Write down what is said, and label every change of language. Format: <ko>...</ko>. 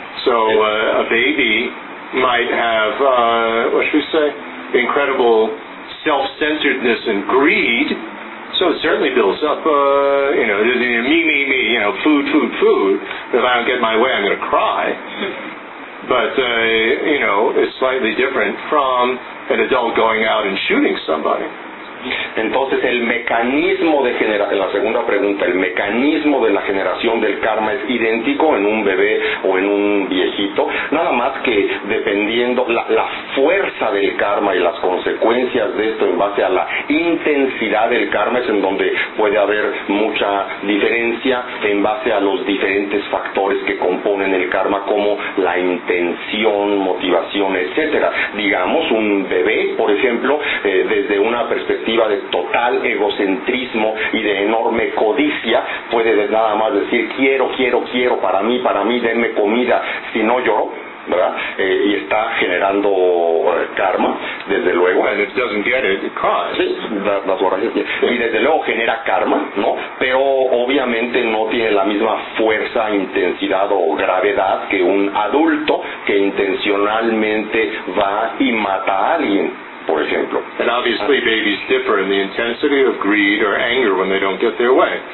<en>So a baby might have, what should we say, incredible self-centeredness and greed. So it certainly builds up, me, me, me, you know, food, food, food. If I don't get my way, I'm going to cry. But, it's slightly different from an adult going out and shooting somebody.</en> <es>Entonces la segunda pregunta, el mecanismo de la generación del karma es idéntico en un bebé o en un viejito, nada más que dependiendo la fuerza del karma y las consecuencias de esto en base a la intensidad del karma es en donde puede haber mucha diferencia en base a los diferentes factores que componen el karma, como la intención, motivación, etcétera. Digamos un bebé, por ejemplo, desde una perspectiva de total egocentrismo y de enorme codicia, puede nada más decir quiero, quiero, quiero para mí, denme comida, si no lloro, ¿verdad? Y está generando karma, desde luego.</es> <en>And it doesn't get it, it causes.</en> <es>Sí, las borrachas. Y desde luego genera karma, ¿no? Pero obviamente no tiene la misma fuerza, intensidad o gravedad que un adulto que intencionalmente va y mata a alguien. Por ejemplo.</es> <en>And obviously babies differ in the intensity of greed or anger when they don't get their way.</en>